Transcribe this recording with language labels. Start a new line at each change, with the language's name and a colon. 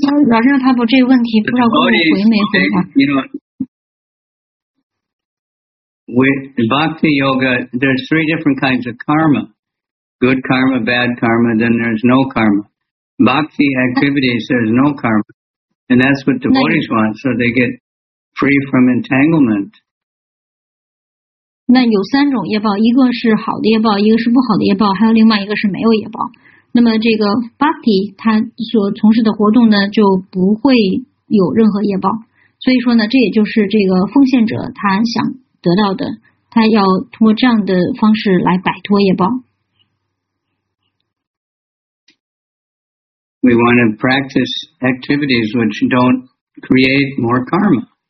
Chinese: 老师他把这个问题不知道跟我回没回答。
English: With bhakti yoga, there's three different kinds of karma. Good karma, bad karma, then there's no karma. Bhakti activities, there's no karma. And that's what devotees want, so they get free from entanglement.
Chinese: 那有三种业报，一个是好的业报，一个是不好的业报，还有另外一个是没有业报。那么这个 Bhakti, 他所从事的活动呢，就不会有任何业报。所以说呢，这也就是这个奉献者他想得到的，他要通过这样的方式来摆脱业报。
English: We want to practice activities which don't create more karma.